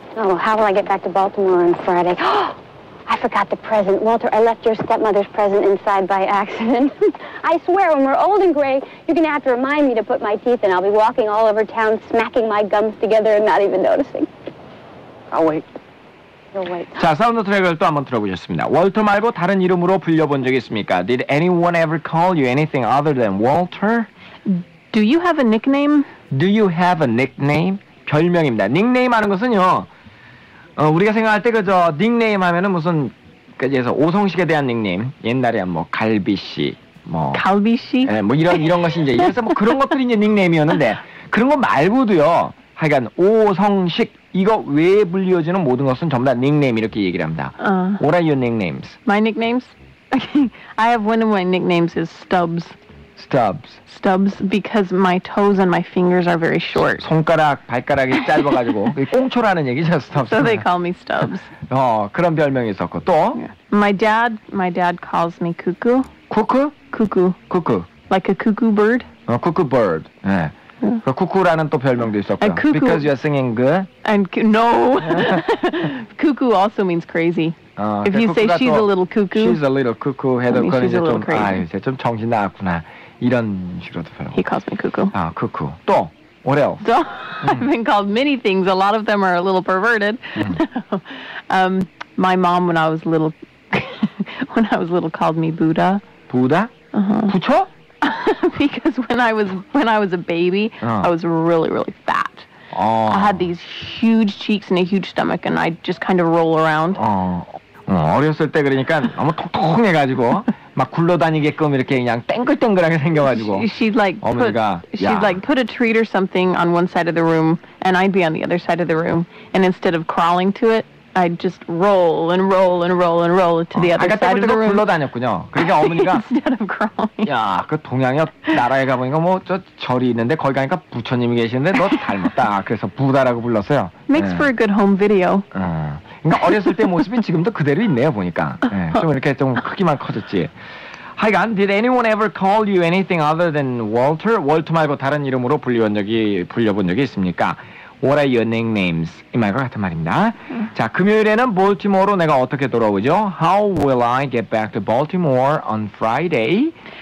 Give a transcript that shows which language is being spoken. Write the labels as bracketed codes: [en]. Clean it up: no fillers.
[en] Oh, how will I get back to Baltimore on Friday? I forgot the present. Walter, I left your stepmother's present inside by accident. I swear, when we're old and gray, you're going to have to remind me to put my teeth in. I'll be walking all over town, smacking my gums together and not even noticing. I'll wait. You'll wait. [ko] 자, 사운드 트랙을 또 한번 들어보셨습니다. 월터 말고 다른 이름으로 불려본 적 있습니까? [en] Did anyone ever call you anything other than Walter? Do you have a nickname? Do you have a nickname? [ko] 별명입니다. 닉네임 하는 것은요. 우리가 생각할 때 그저 닉네임 하면은 무슨 그래서 오성식에 대한 닉네임 옛날에 뭐 갈비 씨, 뭐 갈비씨? 예, 뭐 이런 것이 이제 그래서 뭐 그런 것들이 이제 닉네임이었는데 그런 거 말고도요. 하여간 오성식 이거 외에 불리워지는 모든 것은 전부 다 닉네임 이렇게 얘기를 합니다. [en] What are your nicknames? My nicknames? Okay. I have one of my nicknames is Stubbs. Stubbs. Stubbs because my toes and my fingers are very short. [ko] 손가락, 발가락이 짧아가지고 꽁초라는 얘기죠, Stubbs. [en] So they call me Stubbs. [ko] 어, 그런 별명이 있었고 또? [en] My dad calls me Cuckoo. Cuckoo? Cuckoo. Cuckoo. Like a cuckoo bird. 어, cuckoo bird. 네. Yeah. [ko] 쿠쿠라는 또 별명도 있었고요. [en] And cuckoo. Because you're singing good. And no. Cuckoo also means crazy. If you say she's a little cuckoo. She's a little cuckoo. [ko] 해도 그건 이제 좀, 아, 이제 좀 정신 나갔구나. 이런 식으로도 별명. [en] He calls me cuckoo. 아, cuckoo. 또, what else? So, I've been called many things. A lot of them are a little perverted. my mom, when I was little, when I was little, called me Buddha. Buddha? Uh-huh. [ko] 부처? [en] Because when I was a baby, I was really, really fat. I had these huge cheeks and a huge stomach, and I just kind of roll around. [ko] 어렸을 때 그러니까 너무 통통해가지고 막 굴러다니게끔 이렇게 그냥 땡글땡글하게 생겨가지고 [en] she'd put a treat or something on one side of the room, and I'd be on the other side of the room, and instead of crawling to it, I'd just roll and roll and roll and roll to the other side of the room. [ko] 아까 때부터 굴러다녔군요. 그러니까 어머니가 [en] instead of crawling. [ko] 야, 그 동양의 나라에 가보니까 뭐 저 절이 있는데 거기 가니까 부처님이 계시는데 너 닮았다. 그래서 부다라고 불렀어요. [en] Makes for a good home video. [ko] 그러니까 어렸을 때 모습이 지금도 그대로 있네요, 보니까. 네, 좀 이렇게 좀 크기만 커졌지. 하여간, [en] did anyone ever call you anything other than Walter? [ko] Walter 말고 다른 이름으로 불려본 적이 있습니까? [en] What are your nicknames? [ko] 이 말과 같은 말입니다. 자, 금요일에는 볼티모어로 내가 어떻게 돌아오죠? [en] How will I get back to Baltimore on Friday?